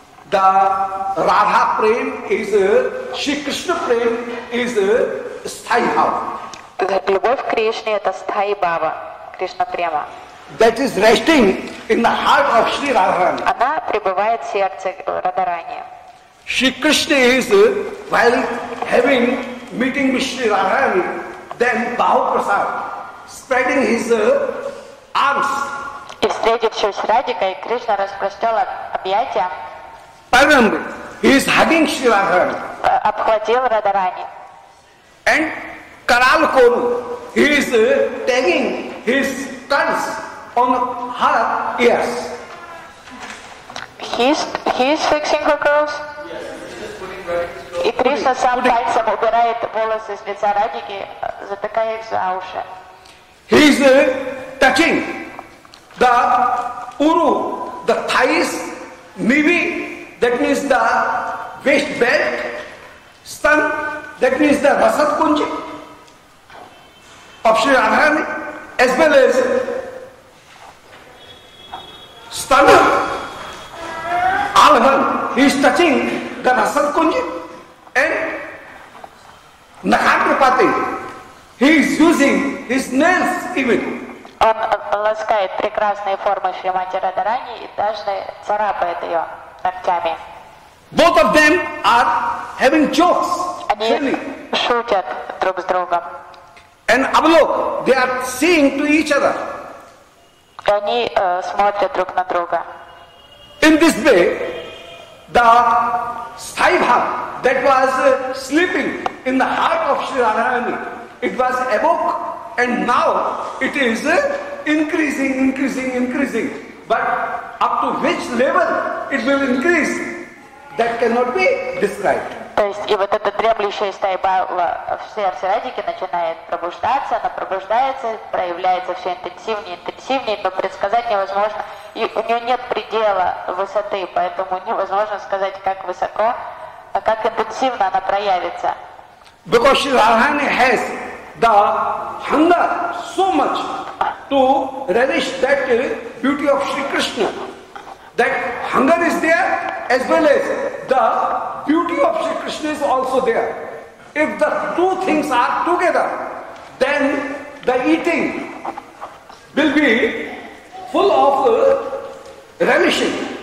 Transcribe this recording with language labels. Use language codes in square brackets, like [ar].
[en] The Radha Prem is Shri Krishna Prem is Sthayi Bhava. [ru] Любовь Кришне это Sthayi Bhava, Кришна Према. [en] That is resting in the heart of Shri Radharani. [ru] Она пребывает в сердце Радхарани. [en] Shri Krishna is while having meeting with Shri Radharani, then Bahu Prasad. Spreading his arms. [ru] И встретившись с Радикой, Кришна распростёр объятия. [en] Парамбри, he is hugging Shri Radharani. [ru] Обхватил Радхарани. [en] And Karal Koru, he is tagging his tongue on her ears. He is fixing her curls? Yes, he is just putting back his curls. [ru] И Кришна сам пальцем убирает волосы с лица Радхики, затыкая их за уши. [en] He is touching the uru, the thighs, maybe that means the waist belt, stun, that means the rasat kunji of Sri Radharani, as well as stun, alhan. He is touching the rasat kunji and nakhatrapati. He is using his nails even. [ru] Он ласкает прекрасные формы Шримати Радхарани и даже царапает ее ногтями. [en] Both of them are having jokes. [ru] Они шутят друг с другом. [en] And Avalok, they are seeing to each other. [ru] Они смотрят друг на друга. [en] In this way, the Saibha that was sleeping in the heart of Sri Radharani, it was awoke, and now it is increasing. But up to which level it will increase, that cannot be described. [ru] То есть и вот эта дремлющая стайба в сердце Радхики начинает пробуждаться, она пробуждается, проявляется все интенсивнее, но предсказать невозможно. И у нее нет предела высоты, поэтому невозможно сказать, как высоко, а как интенсивно она проявится. [en] Because Sri Radharani has the hunger so much to relish that beauty of Sri Krishna. That hunger is there as well as the beauty of Sri Krishna is also there. If the two things are together, then the eating will be full of relishing.